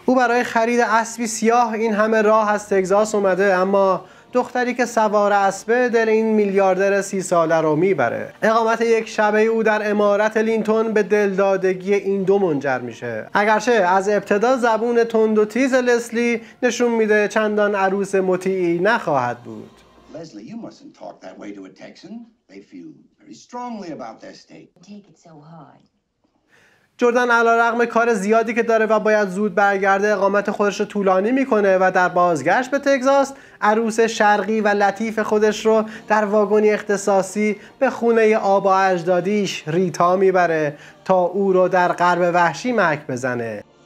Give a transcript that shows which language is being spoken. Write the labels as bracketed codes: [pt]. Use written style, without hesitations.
[fa] او برای خرید اسبی سیاه این همه راه از تگزاس اومده، اما دختری که سوار اسبه در این میلیاردر 30 ساله رو میبره. اقامت یک شبه او در امارت لینتون به دلدادگی این دو منجر میشه. اگرچه از ابتدا زبون تند و تیز لسلی نشون میده چندان عروس مطیعی نخواهد بود. [en] Leslie, you mustn't talk that way to a Texan. They feel very strongly about their state. Take it so hard. [fa] جردن علی‌رغم کار زیادی که داره و باید زود برگرده، اقامت خودش رو طولانی میکنه و در بازگشت به تگزاس عروس شرقی و لطیف خودش رو در واگنی اختصاصی به خونه آبا اجدادیش ریتا میبره تا او رو در غرب وحشی مک بزنه.